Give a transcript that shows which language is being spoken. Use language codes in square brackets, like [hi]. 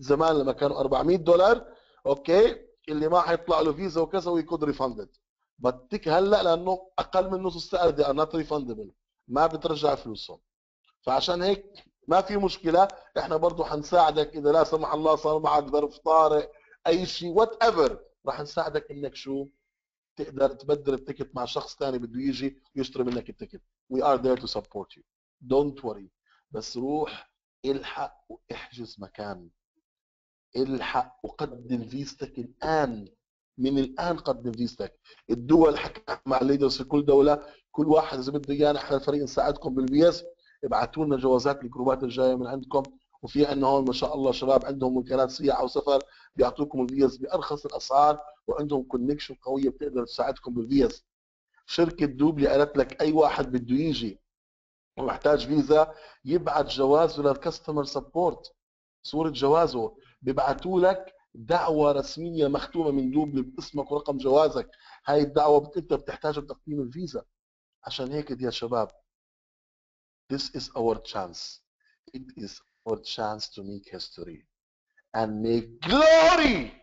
[ar] زمان لما كانوا 400 دولار، أوكي اللي ما حيطلع له فيزا وكذا ويكود ريفاندد، بتك هلأ لأنه أقل من نص السعر دي [en] are not refundable، [ar] ما بترجع فلوسهم. فعشان هيك ما في مشكلة، احنا برضو حنساعدك اذا لا سمح الله صار معك ظرف طارئ اي شيء whatever، راح نساعدك انك شو تقدر تبدل التيكت مع شخص تاني بده يجي ويشتري منك التيكت. [en] We are there to support you, don't worry. [ar] بس روح الحق واحجز مكان، الحق وقدم فيزتك الان، من الان قدم فيزتك. الدول حكت مع الليدرز في كل دولة، كل واحد اذا بده ايانا احنا الفريق نساعدكم بالفيز، ابعثوا لنا جوازات الجروبات الجايه من عندكم. وفي عندنا هون ما شاء الله شباب عندهم وكالات سياحه وسفر بيعطوكم الفيز بارخص الاسعار، وعندهم كونكشن قويه بتقدر تساعدكم بالفيز. شركه دوبلي قالت لك اي واحد بده يجي ومحتاج فيزا يبعث جوازه للكاستمر سبورت، صوره جوازه، بيبعثوا لك دعوه رسميه مختومه من دوبلي باسمك ورقم جوازك. هاي الدعوه انت بتحتاجها لتقديم الفيزا. عشان هيك يا شباب [en] This is our chance. It is our chance to make history and make glory.